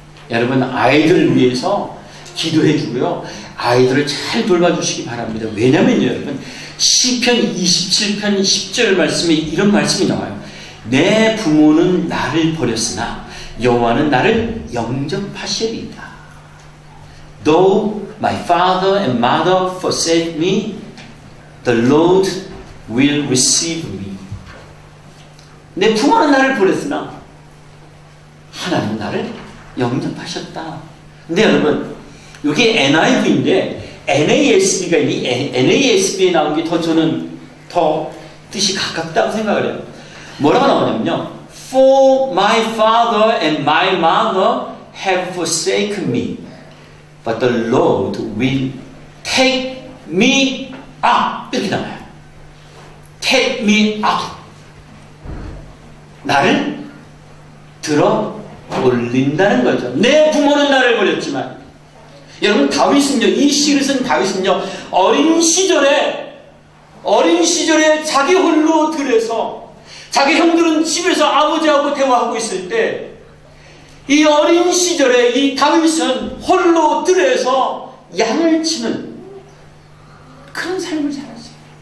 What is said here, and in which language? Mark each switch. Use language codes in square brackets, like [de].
[ko] 여러분 아이들을 위해서 기도해 주고요. 아이들을 잘 돌봐주시기 바랍니다. 왜냐면요 여러분 시편 27편 10절 말씀에 이런 말씀이 나와요. 내 부모는 나를 버렸으나 여호와는 나를 영접하시리이다. [en] Though my father and mother forsake me, the Lord will receive me. [ko] 내 부모는 나를 버렸으나 하나님은 나를 영접하셨다. 근데 여러분 이게 NIV인데 NASB가 이 NASB에 나온 게 더 저는 더 뜻이 가깝다고 생각을 해요. 뭐라고 나오냐면요. [en] For my father and my mother have forsaken me, but the Lord will take me up. [ko] 이렇게 나와요. [en] Take me up. [ko] 나를 들어 올린다는 거죠. 내 부모는 나를 버렸지만. 여러분 다윗은요 이 시를 쓴 다윗은요 어린 시절에 자기 홀로 들에서 자기 형들은 집에서 아버지하고 대화하고 있을 때 이 어린 시절에 이 다윗은 홀로 들에서 양을 치는 그런 삶을 살았어요.